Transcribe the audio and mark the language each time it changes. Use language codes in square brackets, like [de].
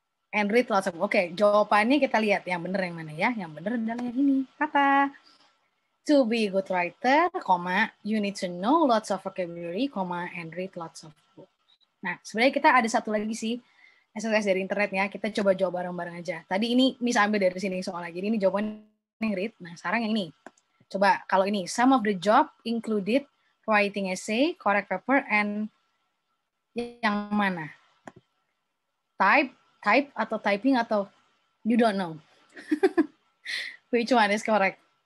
[en] And read lots of, okay, [id] jawabannya kita lihat yang benar yang mana ya. Yang benar adalah yang ini. [en] Kata, to be a good writer, comma, you need to know lots of vocabulary, comma, and read lots of books. [id] Nah, sebenarnya kita ada satu lagi sih, SLS dari internet ya, kita coba jawab bareng-bareng aja. Tadi ini, Miss ambil dari sini soalnya, jadi ini jawaban yang read. Nah, sekarang yang ini. Coba kalau ini, [en] some of the job included writing essay, correct paper, and [id] yang mana? [en] Type atau typing atau you don't know? Which one is correct?